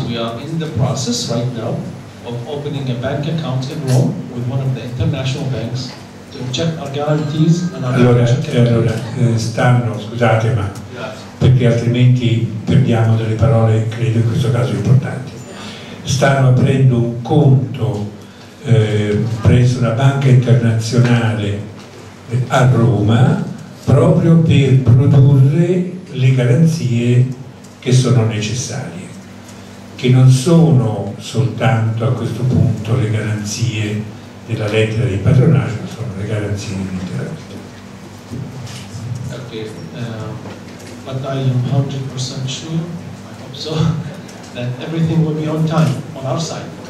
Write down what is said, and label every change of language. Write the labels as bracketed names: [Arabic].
[English] We are in the process right now of opening a bank account in Rome with one of the international banks to check our guarantees and our [Italian] scusate, ma perché altrimenti perdiamo delle parole, credo in questo caso importanti. Stanno aprendo un conto presso una banca internazionale a Roma proprio per produrre le garanzie che sono necessarie, che non sono soltanto a questo punto le garanzie della lettera di patronaggio, sono le garanzie di intera. [English] Ok, but I am 100% sure, I hope so, that everything will be on time on our side.